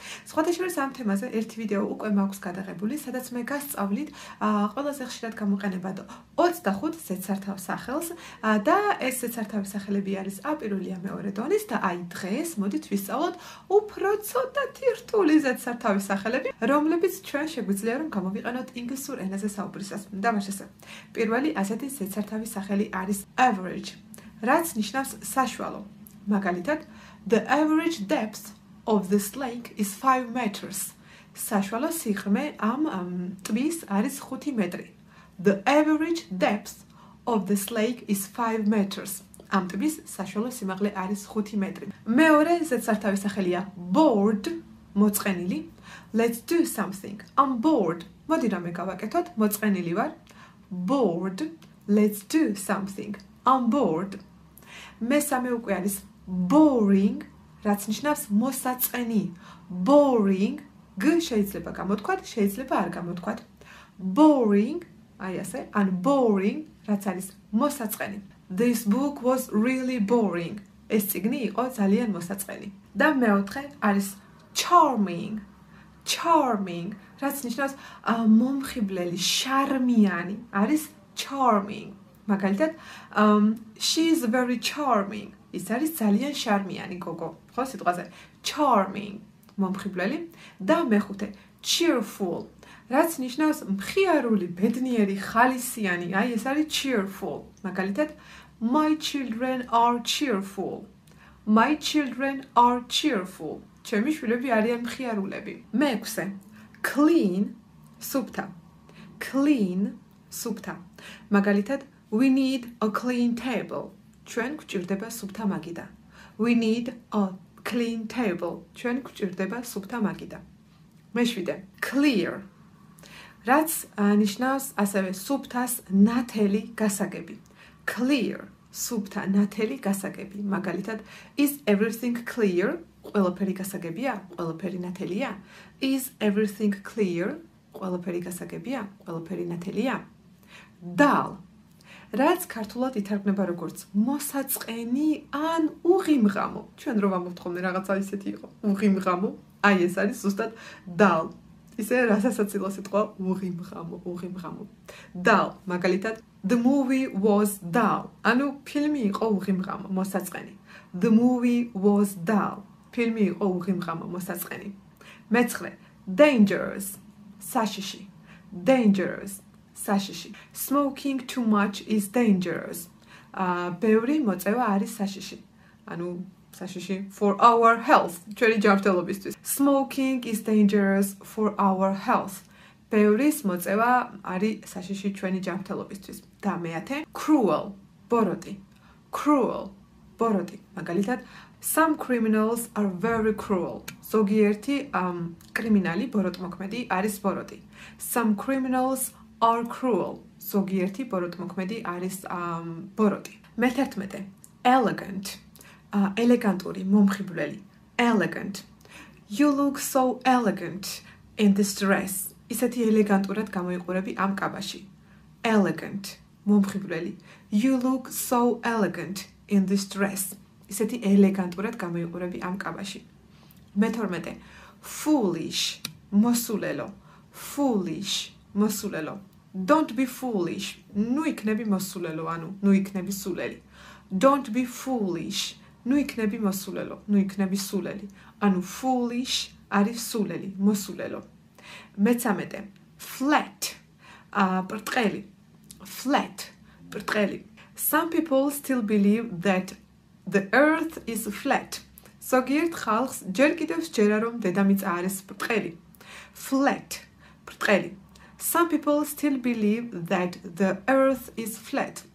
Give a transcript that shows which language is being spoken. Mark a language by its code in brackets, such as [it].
[ka] სხვადასხვა ამ თემაზე ერთი ვიდეო უკვე მაქვს გადაღებული, სადაც მე გასწავლით ყველაზე ხშირად გამოყენებად 25 ზედსართავ სახელს და ეს ზედსართავი სახელები არის აპირულია მეორე დონის და აი დღეს მოდით ვისწავლოთ უფრო ცოტა თირთული ზედსართავი სახელები, რომლებიც ჩვენ შეგვიძლია რომ გამოვიყენოთ ინგლისურ ენაზე საუბრისას. და მაშასე. პირველი ასეთი ზედსართავი სახელი არის average. რაც ნიშნავს საშუალო. [en] მაგალითად, the average depth of this lake is 5 meters. [ka] საშუალო სიღრმე ამ ტბის არის 5 მეტრი. [en] The average depth of this lake is 5 meters. [ka] ამ ტბის საშუალო სიმაღლე არის 5 მეტრი. მეორე ზედსართავი სახელია bored, მოწყენილი. [en] Let's do something. I'm bored. [ka] მოდი რამე გავაკეთოთ, მოწყენილი ვარ. [en] Bored. Let's do something. I'm bored. [ka] მესამე უკვე არის boring, რაც ნიშნავს მოსაწყენი. Boring, გ შეიძლება გამოთქვათ, შეიძლება არ გამოთქვათ. Boring, აი ასე, ან boring, რაც არის მოსაწყენი. [en] This book was really boring. [ka] ეს წიგნი იყო ძალიან მოსაწყენი. და მეოთხე არის charming. Charming, რაც ნიშნავს მომხიბლელი, შარმიანი, არის charming. [en] მაგალითად, she is very charming. [ka] ის არის ძალიან შარმიანი გოგო. ხო, სიტყვაზე charming, მომხიბლელი. და მეხუთე, cheerful, რაც ნიშნავს მხიარული, ბედნიერი, ხალისიანი. აი, ეს არის cheerful. [en] მაგალითად, my children are cheerful. My children are cheerful. [ka] ჩემი შვილები არიან მხიარულები. მეექვსე, clean, სუფთა. Clean, სუფთა. [en] მაგალითად, We need a clean table. [ka] ჩვენ გვჭირდება სუფთა მაგიდა. [en] We need a clean table. [ka] ჩვენ გვჭირდება სუფთა მაგიდა. მეშვიდე, clear. რაც ნიშნავს ასევე სუფთას ნათელი გასაგები. Clear, სუფთა ნათელი გასაგები. [en] მაგალითად, is everything clear? [ka] ყველაფერი გასაგებია? ყველაფერი ნათელია? [en] Is everything clear? [ka] ყველაფერი გასაგებია? ყველაფერი ნათელია? Dull. რაც ქართულად ითარგმნება როგორც მოსაწყენი ან უღიმღამო. ჩვენ რომ ამოვთხოვნე რაღაცა ისეთი იყო, უღიმღამო. აი ეს არის ზუსტად dull. ისე რასაცილო სიტყვა უღიმღამო, უღიმღამო. [en] Dull, მაგალითად, the movie was dull. [ka] ანუ ფილმი იყო უღიმღამო, მოსაწყენი. [en] The movie was dull. [ka] ფილმი იყო უღიმღამო, მოსაწყენი. მეცხრე, dangerous. საშიში. Dangerous. საშიში. [en] Smoking too much is dangerous. [ka] ბევრი მოწევა არის საშიში. ანუ საშიში [en] for our health, [ka] ჩვენი ჯანმრთელობისთვის. [en] Smoking is dangerous for our health. [ka] ბევრის მოწევა არის საშიში ჩვენი ჯანმრთელობისთვის. და მეათე, cruel, ბოროტი. Cruel, ბოროტი. [en] მაგალითად, some criminals are very cruel. [ka] ზოგიერთი კრიმინალი, ბოროტმოქმედი არის ბოროტი. [en] Some criminals are cruel. [ka] ზოგიერთი ბოროტმოქმედი არის ბოროტი. მე-11. Elegant. ელეგანტური, მომხიბვლელი. [en] Elegant. You look so elegant in this dress. [ka] ისეთი ელეგანტურად გამოიყურები ამ კაბაში. Elegant. მომხიბვლელი. [en] You look so elegant in this dress. [ka] ისეთი ელეგანტურად გამოიყურები ამ კაბაში. მე-12. Foolish. მოსულელო. Foolish. მოსულელო. [en] Don't be foolish. [ka] Ну იქნები მოსულელო, ანუ ну იქნები სულელი. [en] Don't be foolish. [ka] Ну იქნები მოსულელო, ну იქნები სულელი. ანუ foolish არის სულელი, მოსულელო. მეცამეტე. Flat. პრტყელი. Flat. პრტყელი. [en] Some people still believe that the earth is flat. [ka] ზოგიერთ ხალხს ჯერ კიდევ სჯერა რომ დედამიწა არის პრტყელი. Flat. პრტყელი. [en] Some people still believe that the earth is flat.